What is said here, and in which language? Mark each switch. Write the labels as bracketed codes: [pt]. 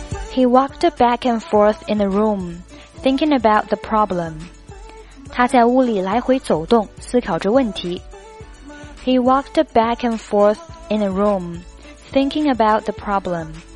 [en] He walked back and forth in the room, thinking about the problem. [zh] 他在屋里来回走动思考着问题。 [en] He walked back and forth in the room,thinking about the problem.